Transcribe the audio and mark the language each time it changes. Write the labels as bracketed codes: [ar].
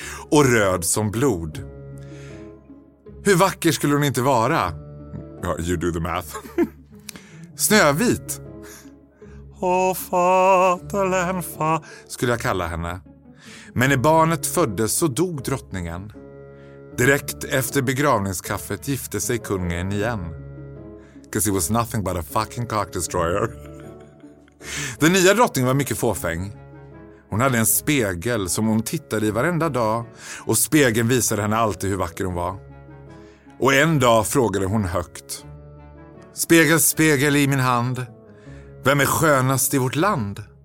[sv] Och röd som blod. Hur vacker skulle hon inte vara? [en] You do the math. [sv] Snövit. Hofatalenfa skulle jag kalla henne. Men när barnet föddes så dog drottningen. Direkt efter begravningskaffet gifte sig kungen igen. [en] Because he was nothing but a fucking cock destroyer. [sv] Den nya drottningen var mycket fåfäng. Hon hade en spegel som hon tittade i varenda dag. Och spegeln visade henne alltid hur vacker hon var. Och en dag frågade hon högt. Spegel, spegel i min hand. Vem är skönast i vårt land?